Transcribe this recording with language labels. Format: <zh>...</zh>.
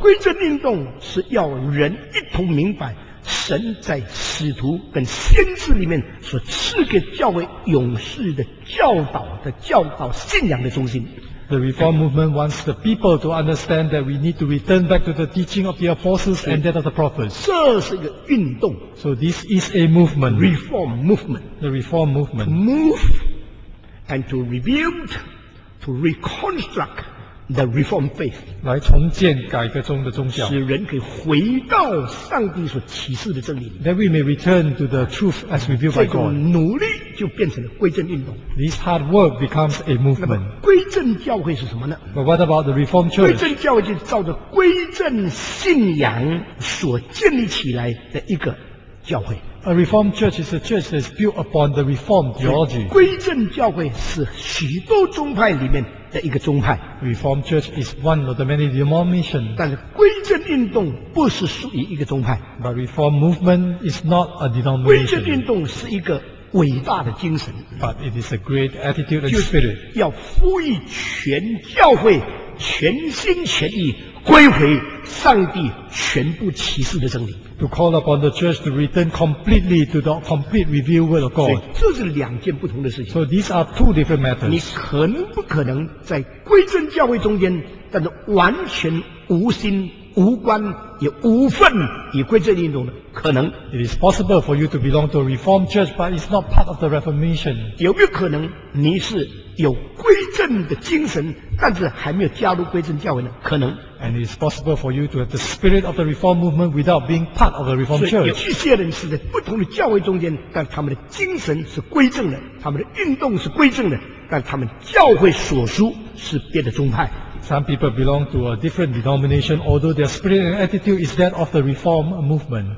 <zh>归正运动是要人一同明白。神在使徒跟先知里面所赐给教会勇士的教导的教导信仰的中心。</zh> <en>The reform movement wants the people to understand that we need to return back to the teaching of the apostles and that of the prophets.</en> <zh>这是一个运动。</zh> <en>So this is a movement. Reform movement. The reform movement. To move and to rebuild, to reconstruct. The Reform Faith</en> <zh>来重建改革中的宗教，使人可以回到上帝所启示的真理。</zh> <en>That we may return to the truth as revealed by God。</en> <zh>这种努力就变成了归正运动。</zh> <en>This hard work becomes a movement。</en> <zh>那么归正教会是什么呢</zh> <en>？But what about the Reform Church？</en> <zh>归正教会就是照着归正信仰所建立起来的一个教会。</zh> <en>A Reform Church is a church that is built upon the Reform theology。</en> <zh>归正教会是许多宗派里面。的一个宗派</zh> <en>，Reform Church is one of the many denominations。</en> <zh>但是归正运动不是属于一个宗派</zh> <en>，But Reform Movement is not a denomination。</en> <zh>归正运动是一个伟大的精神</zh> <en>，But it is a great attitude and spirit。</en> <zh>要呼吁全教会全心全意归回上帝全部启示的真理。</zh> <en>To call upon the church to return completely to the complete revealed word of God.</en> <zh>这是两件不同的事情。</zh> <en>So these are two different matters.</en> <zh>你可能不可能在归正教会中间，但是完全无心、无关、也无份与归正运动的可能。</zh> <en>It is possible for you to belong to a reformed church, but it's not part of the Reformation.</en> <zh>有没有可能你是有归正的精神，但是还没有加入归正教会呢？可能。</zh> <en>And it is possible for you to have the spirit of the reform movement without being part of the reform church.</en> <zh>所以有一些人是在不同的教会中间，但他们的精神是归正的，他们的运动是归正的，但他们教会所属是别的宗派。</zh> <en>Some people belong to a different denomination, although their spirit and attitude is that of the reform movement.</en>